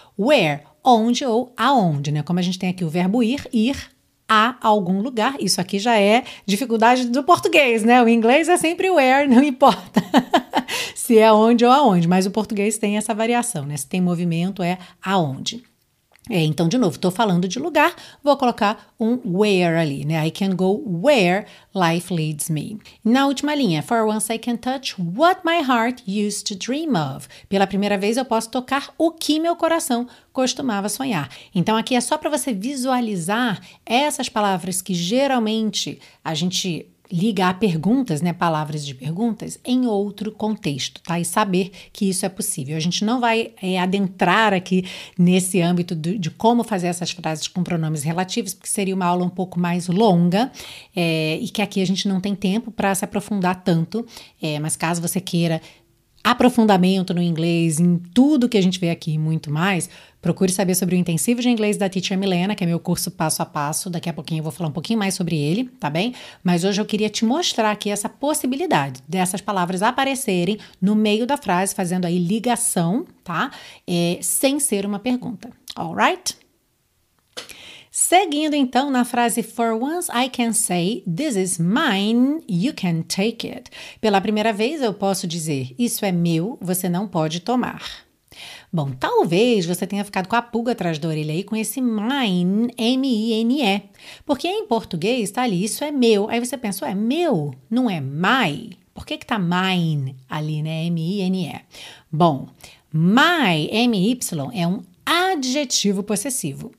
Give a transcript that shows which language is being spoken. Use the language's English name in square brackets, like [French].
[Portuguese] Where, onde ou aonde, né? Como a gente tem aqui o verbo ir, ir a algum lugar. Isso aqui já é dificuldade do português, né? O inglês é sempre where, não importa se é onde ou aonde. Mas o português tem essa variação, né? Se tem movimento, é aonde. É, então, de novo, tô falando de lugar, vou colocar um where ali, né? [English] I can go where life leads me. [Portuguese] Na última linha, [English] for once I can touch what my heart used to dream of. [Portuguese] Pela primeira vez eu posso tocar o que meu coração costumava sonhar. Então, aqui é só para você visualizar essas palavras que geralmente a gente liga a perguntas, né? Palavras de perguntas em outro contexto, tá? E saber que isso é possível. A gente não vai adentrar aqui nesse âmbito de como fazer essas frases com pronomes relativos, porque seria uma aula um pouco mais longa e que aqui a gente não tem tempo para se aprofundar tanto, mas caso você queira aprofundamento no inglês, em tudo que a gente vê aqui e muito mais, procure saber sobre o intensivo de inglês da Teacher Milena, que é meu curso passo a passo. Daqui a pouquinho eu vou falar um pouquinho mais sobre ele, tá bem? Mas hoje eu queria te mostrar aqui essa possibilidade dessas palavras aparecerem no meio da frase, fazendo aí ligação, tá? Sem ser uma pergunta, alright? Seguindo então na frase, [English] for once I can say, this is mine, you can take it. [Portuguese] Pela primeira vez eu posso dizer, isso é meu, você não pode tomar. Bom, talvez você tenha ficado com a pulga atrás da orelha aí com esse mine, M-I-N-E. Porque em português tá ali, isso é meu. Aí você pensa, é meu, não é my. Por que que tá mine ali, né, M-I-N-E? Bom, my, M-Y, é um adjetivo possessivo.